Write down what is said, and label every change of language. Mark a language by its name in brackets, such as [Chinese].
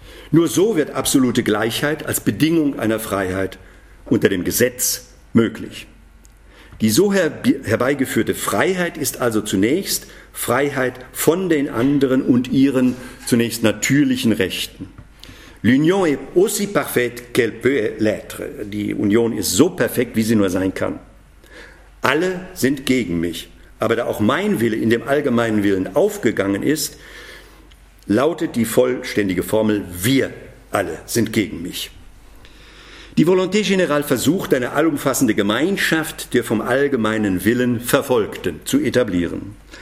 [German] Nur so wird absolute Gleichheit als Bedingung einer Freiheit unter dem Gesetz möglich. Die so herbeigeführte Freiheit ist also zunächst Freiheit von den anderen und ihren zunächst natürlichen Rechten. [French] L'union est aussi parfaite qu'elle peut l'être. [German] Die Union ist so perfekt, wie sie nur sein kann. Alle sind gegen mich, aber da auch mein Wille in dem allgemeinen Willen aufgegangen ist, lautet die vollständige Formel, wir alle sind gegen mich. Die Volonté générale versucht, eine allumfassende Gemeinschaft der vom allgemeinen Willen Verfolgten zu etablieren.